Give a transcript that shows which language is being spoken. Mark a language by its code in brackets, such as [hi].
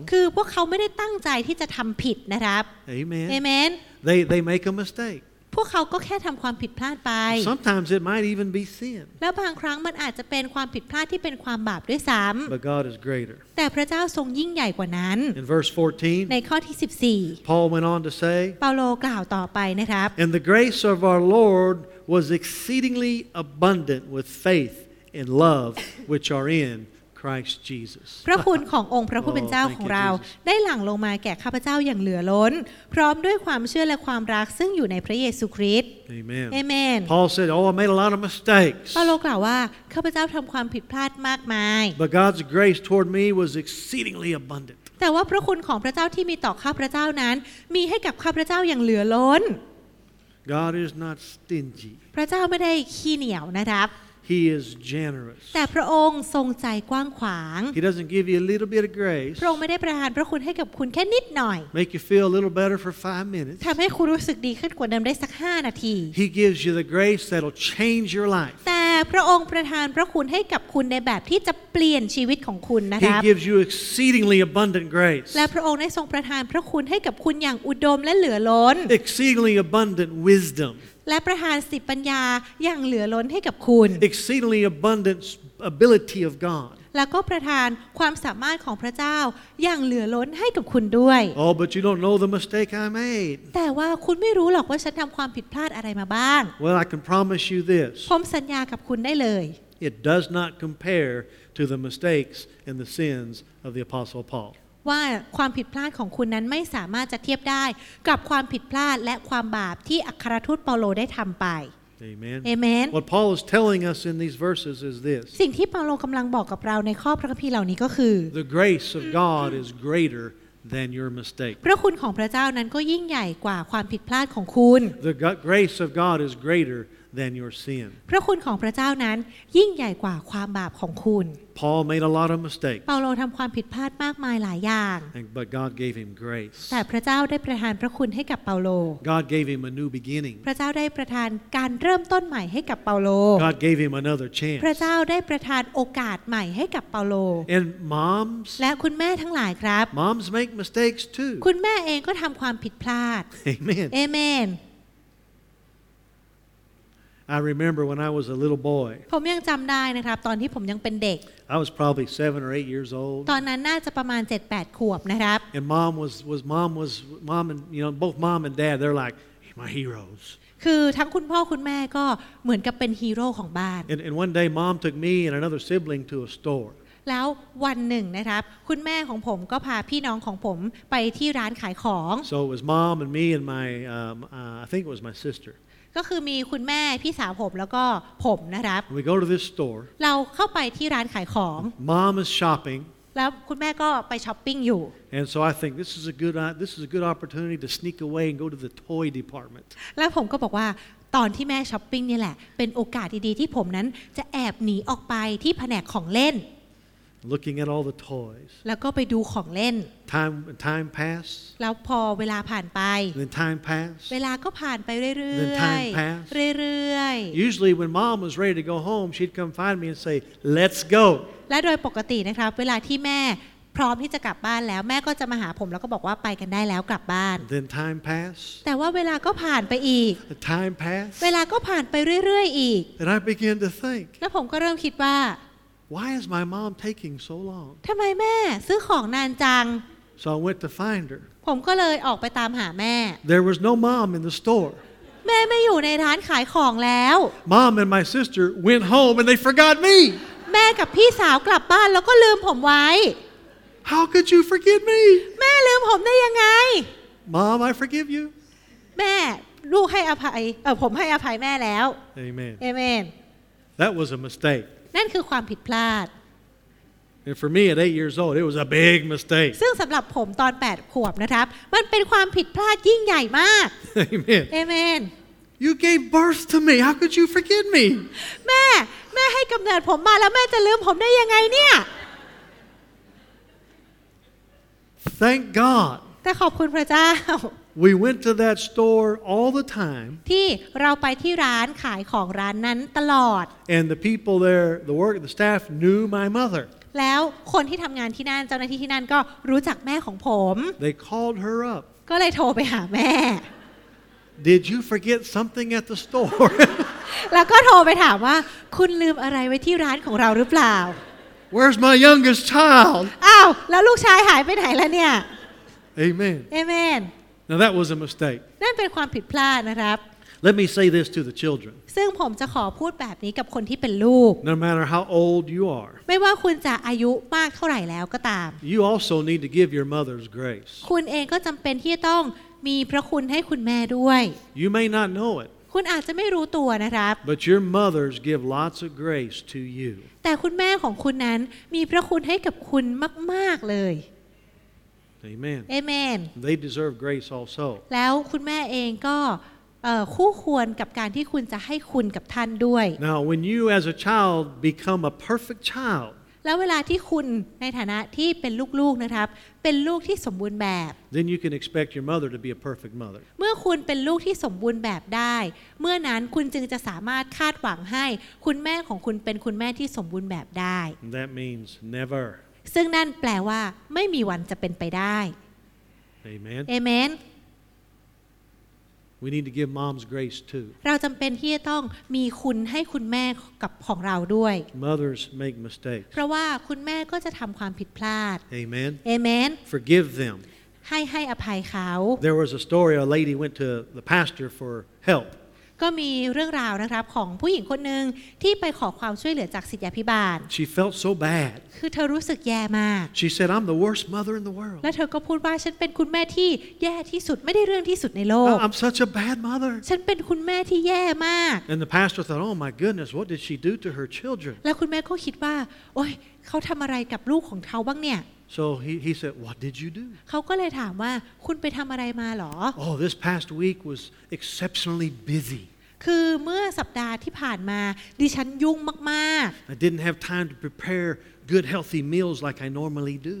[th] คือพวกเขาไม่ได้ตั้งใจที่จะทำผิดนะครับ [en] Amen. Amen. They make a mistake. [th] พวกเขาก็แค่ทำความผิดพลาดไป [en] Sometimes it might even be sin. [th] แล้วบางครั้งมันอาจจะเป็นความผิดพลาดที่เป็นความบาปด้วยซ้ำ [en] But God is greater. [th] แต่พระเจ้าทรงยิ่งใหญ่กว่านั้น [en] In verse 14, [th] ในข้อที่14 [en] Paul went on to say, [th] เปาโลกล่าวต่อไปนะครับ [en] And the grace of our Lord was exceedingly abundant with faith and love which are in Christ Jesus. [th] พระคุณขององค์พระผู้เป็นเจ้าของเราได้หลั่งลงมาแก่ข้าพเจ้าอย่างเหลือล้นพร้อมด้วยความเชื่อและความรักซึ่งอยู่ในพระเยซูคริสต์ [en] Amen. Amen. Paul said, "Oh, I made a lot of mistakes." [th] เปาโลกล่าวว่าข้าพเจ้าทำความผิดพลาดมากมาย [en] But God's grace toward me was exceedingly abundant. [th] แต่ว่าพระคุณของพระเจ้าที่มีต่อข้าพเจ้านั้นมีให้กับข้าพเจ้าอย่างเหลือล้น [en] God is not stingy. [th] พระเจ้าไม่ได้ขี้เหนียวนะครับ [en] He is generous. [th] แต่พระองค์ทรงใจกว้างขวาง [en] He doesn't give you a little bit of grace. [th] พระองค์ไม่ได้ประทานพระคุณให้กับคุณแค่นิดหน่อย [en] Make you feel a little better for 5 minutes. [th] ทำให้คุณรู้สึกดีขึ้นกว่าเดิมได้สัก5 นาที [en] He gives you the grace that'll change your life. [th] แต่พระองค์ประทานพระคุณให้กับคุณในแบบที่จะเปลี่ยนชีวิตของคุณนะครับ [en] He gives you exceedingly abundant grace. [th] และพระองค์ได้ทรงประทานพระคุณให้กับคุณอย่างอุดมและเหลือล้น [en] Exceedingly abundant wisdom. [th] และประทานสติปัญญาอย่างเหลือล้นให้กับคุณ [en] Exceedingly abundant ability of God [th] แล้วก็ประทานความสามารถของพระเจ้าอย่างเหลือล้นให้กับคุณด้วย [en] Oh but you don't know the mistake I made [th] แต่ว่าคุณไม่รู้หรอกว่าฉันทำความผิดพลาดอะไรมาบ้าง [en] Well I can promise you this [th] ผมสัญญากับคุณได้เลย [en] It does not compare to the mistakes and the sins of the apostle Paul [th] ว่าความผิดพลาดของคุณนั้นไม่สามารถจะเทียบได้กับความผิดพลาดและความบาปที่อัครทูตเปาโลได้ทำไป [en] Amen. Amen. What Paul is telling us in these verses is this. [th] สิ่งที่เปาโลกำลังบอกกับเราในข้อพระคัมภีร์เหล่านี้ก็คือ [en] The grace of God is greater than your mistake. [th] พระคุณของพระเจ้านั้นก็ยิ่งใหญ่กว่าความผิดพลาดของคุณ [en] The grace of God is greater than your sin. [th] พระคุณของพระเจ้านั้นยิ่งใหญ่กว่าความบาปของคุณ [en] Paul made a lot of mistakes. [th] เปาโลทำความผิดพลาดมากมายหลายอย่าง [en] But God gave him grace. [th] แต่พระเจ้าได้ประทานพระคุณให้กับเปาโล [en] God gave him a new beginning. [th] พระเจ้าได้ประทานการเริ่มต้นใหม่ให้กับเปาโล [en] God gave him another chance. [th] พระเจ้าได้ประทานโอกาสใหม่ให้กับเปาโล [en] And moms. [th] และคุณแม่ทั้งหลายครับ [en] Moms make mistakes too. [th] คุณแม่เองก็ทำความผิดพลาด [en] Amen. Amen. I remember when I was a little boy. [th] ผมยังจำได้นะครับตอนที่ผมยังเป็นเด็ก [en] I was probably 7 or 8 years old. [th] ตอนนั้นน่าจะประมาณ 7-8 ขวบนะครับ [en] And mom and you know both mom and dad they're like my heroes. [th] คือทั้งคุณพ่อคุณแม่ก็เหมือนกับเป็นฮีโร่ของบ้าน [en] And one day mom took me and another sibling to a store. [th] แล้ววันหนึ่งนะครับคุณแม่ของผมก็พาพี่น้องของผมไปที่ร้านขายของ [en] So it was mom and me and my I think it was my sister. [th] ก็คือมีคุณแม่พี่สาวผมแล้วก็ผมนะครับ [en] We go to this store. [th] เราเข้าไปที่ร้านขายของ [en] Mom is shopping. [th] แล้วคุณแม่ก็ไปช้อปปิ้งอยู่ [en] And so I think this is a good opportunity to sneak away and go to the toy department. [th] แล้วผมก็บอกว่าตอนที่แม่ช้อปปิ้งนี่แหละเป็นโอกาสดีๆที่ผมนั้นจะแอบหนีออกไปที่แผนกของเล่น [en] Looking at all the toys. [th] แล้วก็ไปดูของเล่น [en] Time passed. [th] แล้วพอเวลาผ่านไป [en] Then time passed. [th] เวลาก็ผ่านไปเรื่อยๆ [en] Then time passed. [th] เรื่อย [en] ๆ Usually when mom was ready to go home, she'd come find me and say, "Let's go." [th] และโดยปกตินะครับเวลาที่แม่พร้อมที่จะกลับบ้านแล้วแม่ก็จะมาหาผมแล้วก็บอกว่าไปกันได้แล้วกลับบ้าน [en] Then time passed. [th] แต่ว่าเวลาก็ผ่านไปอีก [en] Time passed. [th] เวลาก็ผ่านไปเรื่อยๆอีก [en] And I began to think. [th] แล้วผมก็เริ่มคิดว่า [en] Why is my mom taking so long? [th] ทำไมแม่ซื้อของนานจัง [en] So I went to find her. [th] ผมก็เลยออกไปตามหาแม่ [en] There was no mom in the store. [th] แม่ไม่อยู่ในร้านขายของแล้ว [en] Mom and my sister went home and they forgot me. [th] แม่กับพี่สาวกลับบ้านแล้วก็ลืมผมไว้ [en] How could you forget me? [th] แม่ลืมผมได้ยังไง [en] Mom, I forgive you. [th] แม่ลูกให้อภัยผมให้อภัยแม่แล้ว [en] Amen. Amen. That was a mistake. [th] นั่นคือความผิดพลาด [en] And for me at 8 years old, it was a big mistake. [th] ซึ่งสำหรับผมตอน8ขวบนะครับมันเป็นความผิดพลาดยิ่งใหญ่มาก [en] Amen. Amen. You gave birth to me. How could you forget me? [th] แม่ให้กำเนิดผมมาแล้วแม่จะลืมผมได้ยังไงเนี่ย [en] Thank God. [th] แต่ขอบคุณพระเจ้า [en] We went to that store all the time. [th] ที่เราไปที่ร้านขายของร้านนั้นตลอด [en] And the people there, the work, the staff knew my mother. [th] แล้วคนที่ทำงานที่นั่นเจ้าหน้าที่ที่นั่นก็รู้จักแม่ของผม [en] They called her up. [th] ก็เลยโทรไปหาแม่ [en] Did you forget something at the store? [th] แล้วก็โทรไปถามว่าคุณลืมอะไรไว้ที่ร้านของเราหรือเปล่า [en] Where's my youngest child? [th] อ้าวแล้วลูกชายหายไปไหนแล้วเนี่ย [en] Amen. Amen. Now that was a mistake. [th] นั่นเป็นความผิดพลาดนะครับ [en] Let me say this to the children. [th] ซึ่งผมจะขอพูดแบบนี้กับคนที่เป็นลูก [en] No matter how old you are. [th] ไม่ว่าคุณจะอายุมากเท่าไหร่แล้วก็ตาม [en] You also need to give your mother's grace. [th] คุณเองก็จำเป็นที่ต้องมีพระคุณให้คุณแม่ด้วย [en] You may not know it [th] คุณอาจจะไม่รู้ตัวนะครับ [en] But your mothers give lots of grace to you [th] แต่คุณแม่ของคุณนั้นมีพระคุณให้กับคุณมากๆเลย [en] Amen Amen They deserve grace also [th] แล้วคุณแม่เองก็คู่ควรกับการที่คุณจะให้คุณกับท่านด้วย [en] Now when you as a child become a perfect child [th] แล้วเวลาที่คุณในฐานะที่เป็นลูกๆนะครับเป็นลูกที่สมบูรณ์แบบ [en] Then you can expect your mother to be a perfect mother. [th] เมื่อคุณเป็นลูกที่สมบูรณ์แบบได้เมื่อนั้นคุณจึงจะสามารถคาดหวังให้คุณแม่ของคุณเป็นคุณแม่ที่สมบูรณ์แบบได้ [en] That means never. [th] ซึ่งนั่นแปลว่าไม่มีวันจะเป็นไปได้ [en] Amen. Amen. We need to give mom's grace too. [th] เราจำเป็นที่จะต้องมีคุณให้คุณแม่กับของเราด้วย [en] Mothers make mistakes. [th] เพราะว่าคุณแม่ก็จะทำความผิดพลาด [en] Amen. Amen. Forgive them. [th] ให้อภัยเขา [en] There was a story a lady went to the pastor for help. [th] ก็มีเรื่องราวนะครับของผู้หญิงคนนึงที่ไปขอความช่วยเหลือจากศิษยาภิบาล [en] She felt so bad. [th] คือเธอรู้สึกแย่มาก [en] She said I'm the worst mother in the world. [th] และเธอก็พูดว่าฉันเป็นคุณแม่ที่แย่ที่สุดไม่ได้เรื่องที่สุดในโลก [en] I'm such a bad mother. [th] ฉันเป็นคุณแม่ที่แย่มาก [en] And the pastor thought oh my goodness what did she do to her children? [th] แล้วคุณแม่ก็คิดว่าโอ๊ยเขาทำอะไรกับลูกของเขาบ้างเนี่ย [en] So he said what did you do? [th] เขาก็เลยถามว่าคุณไปทำอะไรมาหรอ [en] Oh this past week was exceptionally busy. [th] คือเมื่อสัปดาห์ที่ผ่านมาดิฉันยุ่งมาก [en] ๆ I didn't have time to prepare good healthy meals like I normally do.